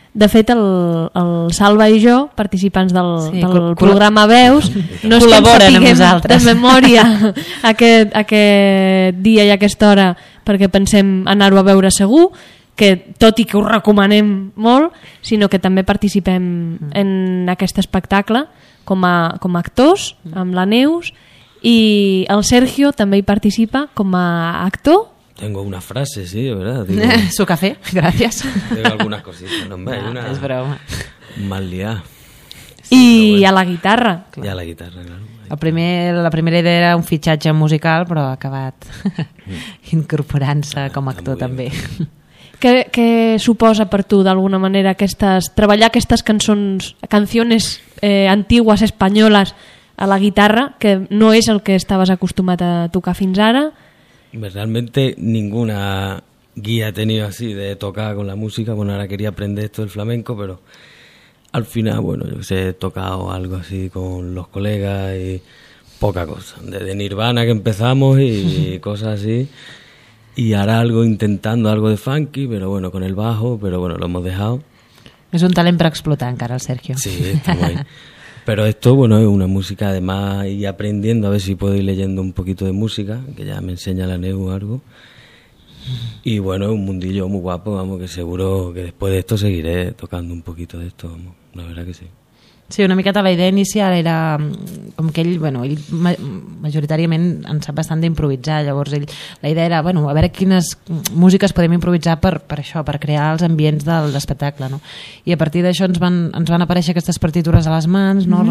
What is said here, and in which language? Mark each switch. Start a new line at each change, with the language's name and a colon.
Catalan: De fet, el Salva i jo, participants del programa Veus, no és que en sapiguem de memòria aquest dia i aquesta hora, perquè pensem anar-ho a veure segur, que tot i que ho recomanem molt, sinó que també participem en aquest espectacle com a actors, amb la Neus, i el Sergio també hi participa com a actor.
Spanish: Tengo una frase, sí, de verdad. Su café, gracias. Tengo algunas cositas, no me hay una... Es broma. Mal liar.
Catalan: Sí, i bueno. A la guitarra. I a la guitarra, clar. La primera idea era un fitxatge musical, però ha acabat incorporant-se com a actor també. Què suposa per tu, d'alguna manera, treballar aquestes canciones antigues espanyoles a la guitarra, que no és el que estaves acostumat a tocar fins ara?
Spanish: Realmente ninguna guía he tenido así de tocar con la música. Bueno, ahora quería aprender esto del flamenco, pero al final, bueno, yo sé, he tocado algo así con los colegas y poca cosa. Desde Nirvana que empezamos y cosas así. Y ahora algo intentando algo de funky, pero bueno, con el bajo, pero bueno, lo hemos dejado. Es un talento para explotar, cara, el Sergio. Sí, está guay. Pero esto, bueno, es una música, además, y aprendiendo, a ver si puedo ir leyendo un poquito de música, que ya me enseña la Neu algo. Y bueno, es un mundillo muy guapo, vamos, que seguro que después de esto seguiré tocando un poquito de esto, vamos, la verdad que sí.
Catalan: Sí, una miqueta la idea inicial era com que ell, bueno, ell majoritàriament en sap bastant d'improvisar, llavors ell, la idea era, bueno, a veure quines músiques podem improvisar per això, per crear els ambients de l'espectacle, no? I a partir d'això ens van aparèixer aquestes partitures a les mans, no? Mm-hmm.